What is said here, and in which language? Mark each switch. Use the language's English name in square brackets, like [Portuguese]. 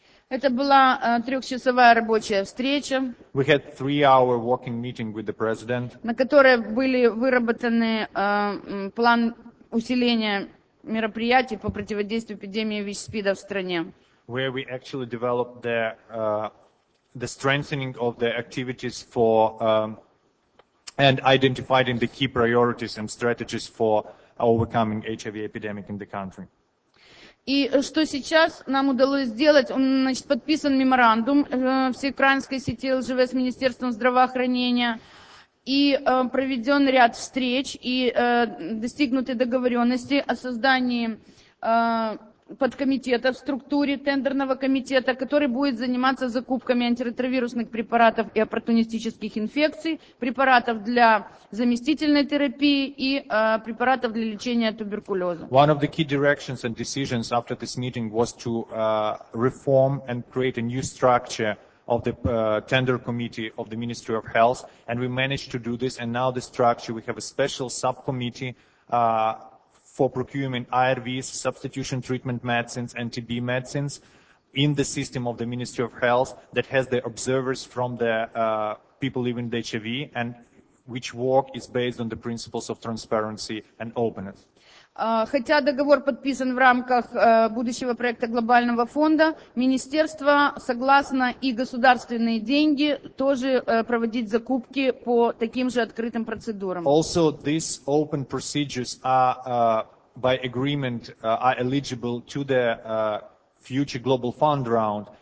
[Russian] Это была трехчасовая рабочая встреча. [English] We had 3-hour working meeting with the president. [Russian] На которой были выработаны план усиления мероприятий по противодействию эпидемии ВИЧ-СПИДа в стране. [English] Where we actually developed the strengthening of the activities for and identifying the key priorities and strategies for overcoming HIV epidemic in the country. [Russian] И что сейчас нам удалось сделать? Значит, подписан меморандум всеукраинской сети ЛЖВ с Министерством здравоохранения. И проведен ряд встреч и достигнуты договоренности о создании подкомитета в структуре тендерного комитета, который будет заниматься закупками антиретровирусных препаратов и оппортунистических инфекций, препаратов для заместительной терапии и препаратов для лечения туберкулеза. [English] One of the key directions and decisions after this meeting was to reform and create a new structure of the tender committee of the Ministry of Health, and we managed to do this, and now the structure, we have a special subcommittee for procurement IRVs, substitution treatment medicines, and TB medicines in the system of the Ministry of Health that has the observers from the people living with HIV and which work is based on the principles of transparency and openness. [Russian] Хотя договор подписан в рамках будущего проекта глобального фонда, министерство согласно и государственные деньги тоже проводить закупки по таким же открытым процедурам. [English] Also, these open procedures are by agreement are eligible to the future global fund round.